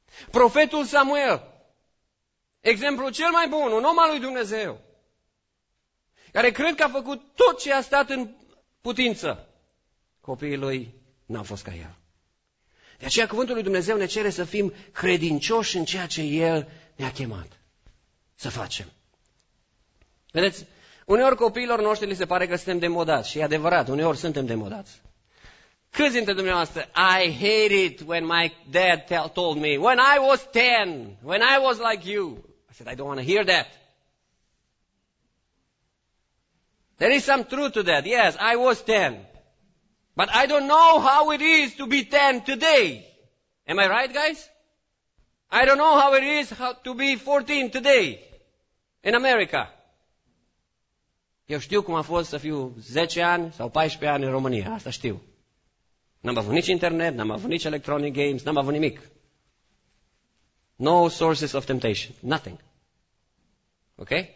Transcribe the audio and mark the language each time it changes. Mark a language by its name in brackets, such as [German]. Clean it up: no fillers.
[Romanian] Profetul Samuel, exemplu cel mai bun, un om al lui Dumnezeu, care cred că a făcut tot ce a stat în putință, copiii lui n-au fost ca el. De aceea cuvântul lui Dumnezeu ne cere să fim credincioși în ceea ce El ne-a chemat să facem. Vedeți, uneori copiilor noștri li se pare că suntem demodați și e adevărat, uneori suntem demodați. Câți dintre dumneavoastră, [English] I hate it when my dad told me, when I was 10, when I was like you. I said, I don't want to hear that. There is some truth to that. Yes, I was 10. But I don't know how it is to be 10 today. Am I right, guys? I don't know how it is to be 14 today in America. [Romanian] Eu știu cum a fost să fiu 10 ani sau 14 ani în România. Asta știu. N-am avut nici internet, n-am avut nici [English] electronic games, [Romanian] n-am avut nimic. [English] No sources of temptation. Nothing. Ok?